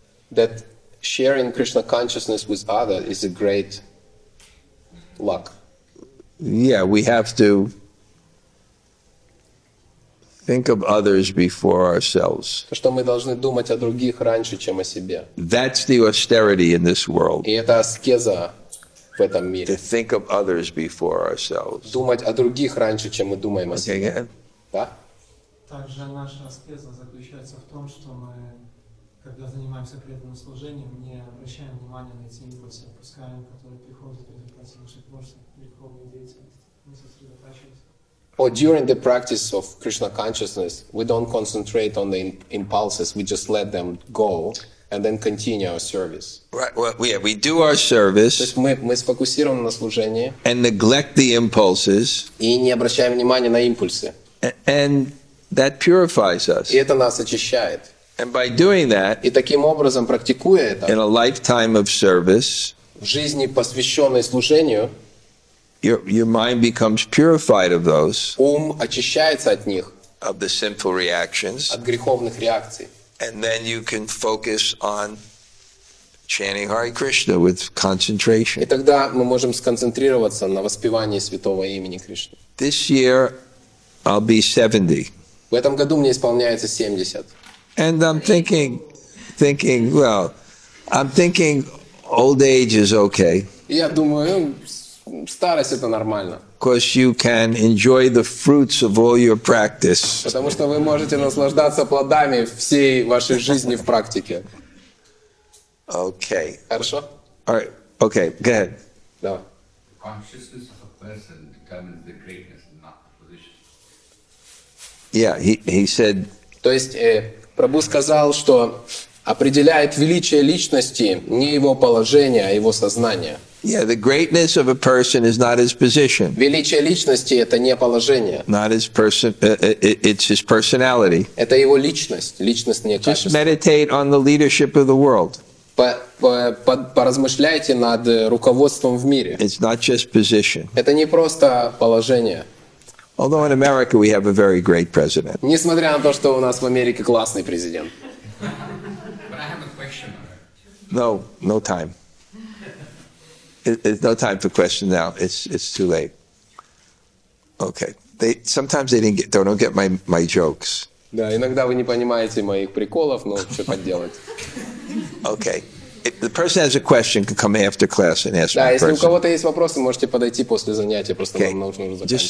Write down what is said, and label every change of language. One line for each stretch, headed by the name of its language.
English: That sharing Krishna consciousness with others is a great luck. Yeah, we have to think of others before ourselves.
Russian: Что мы должны думать о других раньше, чем о себе.
English: That's the austerity in this world.
Russian: И это аскеза в этом мире.
English: To think of others before ourselves.
Russian: Думать о других раньше, чем мы думаем о себе. Да? Также наша аскеза заключается в том, что мы, когда занимаемся преданным служением, не обращаем внимания на эти импульсы, опускаем, которые приходят в результате наших прошлых духовных деятельностей. Мы сосредотачиваемся.
English: Or during the practice of Krishna consciousness, we don't concentrate on the impulses, we just let them go and then continue our service. Right, well, yeah, we do our service.
Russian: То есть мы сфокусированы на служении.
English: And neglect the impulses.
Russian: И не обращаем внимания на импульсы.
English: And that purifies us.
Russian: И это нас очищает.
English: And by doing that,
Russian: и таким образом, практикуя это,
English: in a lifetime of service,
Russian: в жизни, посвященной служению,
English: Your mind becomes purified of those.
Russian: Ум очищается от них.
English: Of the sinful reactions.
Russian: От греховных реакций.
English: And then you can focus on chanting Hare Krishna with concentration.
Russian: И тогда мы можем сконцентрироваться на воспевании святого имени Кришны.
English: This year I'll be 70.
Russian: В этом году мне исполняется 70.
English: And I'm thinking old age is okay.
Russian: Я думаю, старость это нормально.
English: Because you can enjoy the fruits of all your practice.
Russian: Потому что вы можете наслаждаться плодами всей вашей жизни в практике.
English: Okay.
Russian: Хорошо?
English: All right. Okay. Go ahead.
Russian: Давай.
English: Consciousness of a person determines the greatness and not the position. Yeah, he said.
Russian: То есть Прабху сказал, что определяет величие личности не его положение, а его сознание.
English: Yeah, the greatness of a person is not his position.
Russian: Величие личности это не положение.
English: Not his person, it's his personality.
Russian: Это его личность, личностные качества.
English: Just meditate on the leadership of the world.
Russian: Поразмышляйте над руководством в мире.
English: It's not just position.
Russian: Это не просто положение.
English: Although in America we have a very great president.
Russian: Несмотря на то, что у нас в Америке классный президент.
English: But I have a question. No time. There's no time for questions now. It's too late. Okay. They don't get my jokes.
Russian: Да, иногда вы не понимаете моих приколов, но что поделать.
English: Okay. the person has a question can come after class and ask.
Russian: Да, если у кого-то есть вопросы, можете подойти после занятия, просто нам нужно уже заканчивать.